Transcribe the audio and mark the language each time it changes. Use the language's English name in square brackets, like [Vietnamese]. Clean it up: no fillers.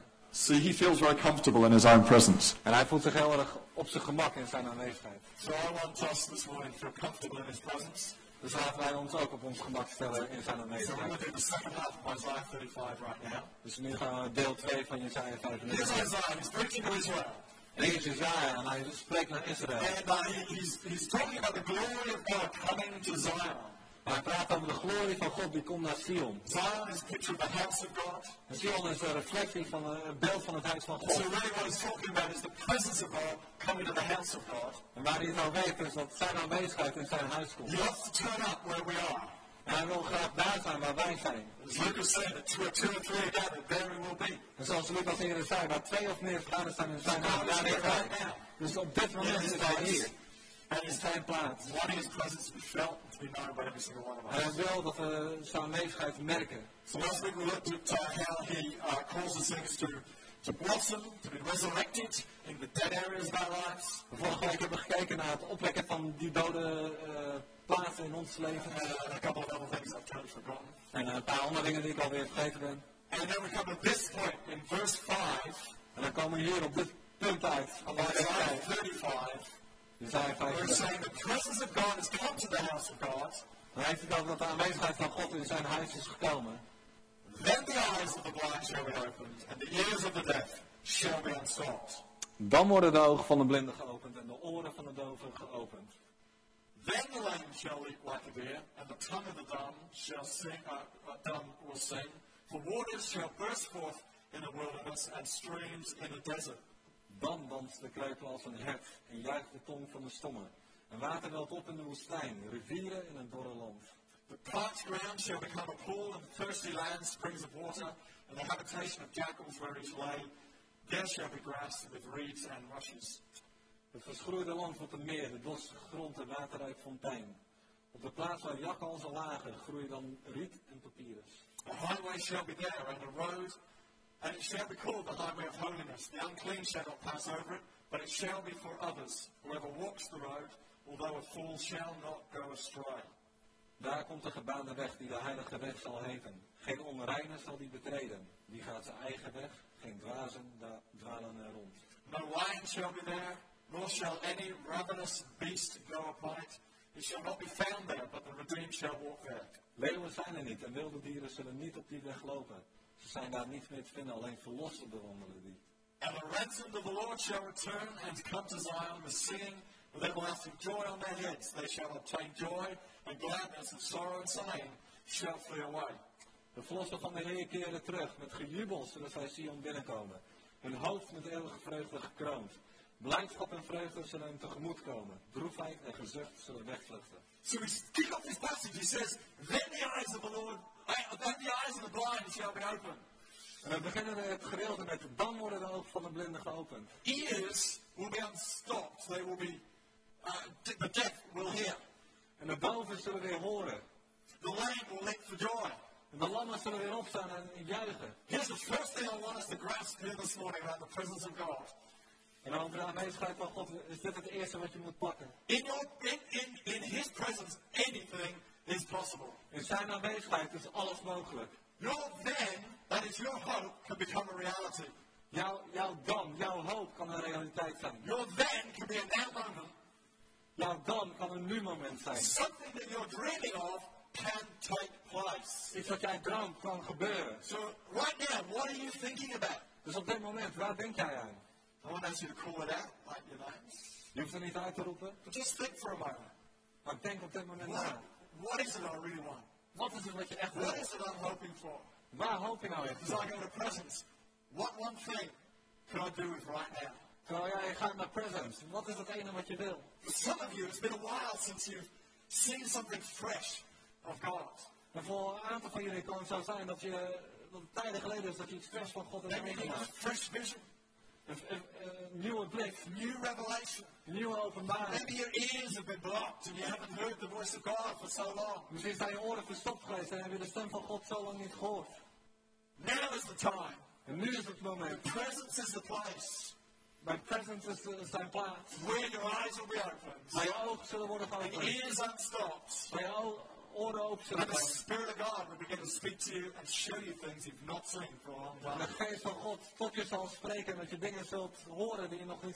[English] See, he feels very comfortable in his own presence. [Dutch] En hij voelt zich heel erg op zijn gemak in zijn aanwezigheid. [English] So I want us this morning to feel comfortable in his presence. [Dutch] Dus laten wij ons ook op ons gemak stellen in zijn aanwezigheid. [English] So we're going to do the second half of Isaiah 35 right now. [Dutch] Dus nu gaan we deel 2 van Isaiah 35. [English] Here's Isaiah, he's preaching to Israel. [Dutch] Hier is Isaiah, en hij spreekt naar Israël. [English] And he's talking about the glory of God coming to Zion. [Dutch] Hij praat over de glorie van God die komt naar Sion. [English] Zion is a picture of the house of God. [Dutch] Sion is een reflectie van het beeld van het huis van God. [English] So really what he's talking about is the presence of God coming to the house of God. [Dutch] En waar hij nou weet is dat zijn aanwezigheid in zijn huis komt. [English] You have to turn up where we are. [Dutch] En hij wil graag daar zijn waar wij zijn. [English] As Lucas said, that two or three are gathered, there we will be. [Dutch] En zoals Lucas eerder zei, waar twee of meer vergaderd zijn in zijn huis, daar is hij. Dus op dit moment is hij hier. [English] And his time plans. Wanting his presence to be felt and to be known by every single one of us. [Dutch] En wel dat we zijn aanwezigheid merken. [English] So last week we looked at how he calls the things to blossom, to be resurrected in the dead areas of our lives. [Dutch] Vorige week hebben we gekeken naar het opwekken van die dode plaatsen in ons leven. [English] And a couple of other things I've totally forgotten. [Dutch] En een paar andere dingen die ik alweer vergeten ben. [English] And then we come to this point in verse 5. [Dutch] En dan komen we hier op dit punt uit. [English] Isaiah 35. We're saying the presence of God has come to the house of God. [Dutch] Dan heeft hij dan dat de aanwezigheid van God in zijn huis is gekomen. [English] Then the eyes of the blind shall be opened, and the ears of the deaf shall be unstopped. [Dutch] Dan worden de ogen van de blinden geopend en de oren van de doven geopend. [English] Then the lame shall leap like a deer, and the tongue of the dumb shall sing. Dumb will sing, for waters shall burst forth in the wilderness and streams in the desert. [Dutch] Dan danst de kreupel als een hert en juicht de tong van de stomme. En water welt op in de woestijn, rivieren in een dorre land. [English] The parched ground shall become a pool and thirsty land, springs of water, and the habitation of jackals where each lay. There shall be grass with reeds and rushes. [Dutch] Het verschroeide land wordt een meer, de dorstige grond en waterrijk fontein. Op de plaats waar jackals al lagen, groeien dan riet en papyrus. [English] A highway shall be there and a road. And it shall be called the highway of holiness. The unclean shall not pass over it, but it shall be for others. Whoever walks the road, although a fool, shall not go astray. [Dutch] Daar komt de gebaande weg die de heilige weg zal heten. Geen onreine zal die betreden. Die gaat zijn eigen weg, geen dwazen dwalen er rond. [English] No lion shall be there, nor shall any ravenous beast go upon it. It shall not be found there, but the redeemed shall walk there. [Dutch] Leeuwen zijn er niet, en wilde dieren zullen niet op die weg lopen. Ze zijn daar niet meer te vinden, alleen verlossen bewonderen die. [English] And the ransomed of the Lord shall return and come to Zion with singing, with everlasting joy on their heads. They shall obtain joy and gladness, and sorrow and sighing shall flee away. [Dutch] De verlossen van de Heer keren terug, met gejubel zullen zij Zion binnenkomen. Hun hoofd met eeuwige vreugde gekroond. Blijdschap en vreugde zullen hen tegemoet komen. Droefheid en gezucht zullen wegvluchten. [English] So we kick off this passage, he says, then the eyes of the Lord, that the eyes of the blind shall be opened. [Dutch] En dan beginnen we het gedeelte met, dan worden de ogen van de blinden geopend. [English] Ears will be unstopped, they will be, the deaf will hear. [Dutch] En de doven zullen weer horen. [English] The lame will leap for joy. [Dutch] En de lammen zullen weer opstaan en juichen. [English] Here's the first thing I want us to grasp here this morning about the presence of God. [Dutch] En dan vraag mij, schrijf van God, is dit het eerste wat je moet pakken? [English] In his presence, anything is possible. [Dutch] In zijn aanwezigheid is alles mogelijk. [English] Your then, that is your hope, can become a reality. [Dutch] Jouw dan, jouw hoop kan een realiteit zijn. [English] Your then can be a now moment. [Dutch] Jouw dan kan een nu moment zijn. [English] Something that you're dreaming of can take place. [Dutch] Iets wat jij droomt kan gebeuren. [English] So right now, what are you thinking about? [Dutch] Dus op dit moment, waar denk jij aan? [English] I want to ask you to call it out, like your name. [Dutch] Je hoeft er niet uit te roepen. [English] But just think for a moment. [Dutch] Maar denk op dit moment aan. [English] What is it I really want? What is it that you [Dutch] echt [English] what is it I'm hoping for? [Dutch] Waar hoop je nou echt? [English] As I go to presence, what one thing can I do with right now? [Dutch] Oh ja, je gaat naar presence. Wat is het ene wat je wil? [English] For some of you, it's been a while since you've seen something fresh of God. [Dutch] En voor een aantal van jullie kan het zo zijn dat je tijden geleden is dat je iets fresh van God hebt gezien. [English] Maybe a fresh vision. [Dutch] Nieuwe blik. [English] New revelation. [Dutch] Nieuwe openbaring. [English] Maybe your ears have been blocked and you haven't heard the voice of God for so long. [Dutch] Misschien zijn je oren verstopt geweest en heb je de stem van God zo lang niet gehoord. [English] Now is the time. [Dutch] En nu is het moment. [English] Your presence is the place. My presence is the same place. Where your eyes will be opened. [Dutch] Mijn ogen zullen worden geopend. [English] And ears unstopped. [Dutch] Mijn oren open zullen worden. [English] And the Spirit of God will begin to speak to you and show you things you've not seen for a long time. [Dutch] En de Geest van God tot je zal spreken dat je dingen zult horen die je nog niet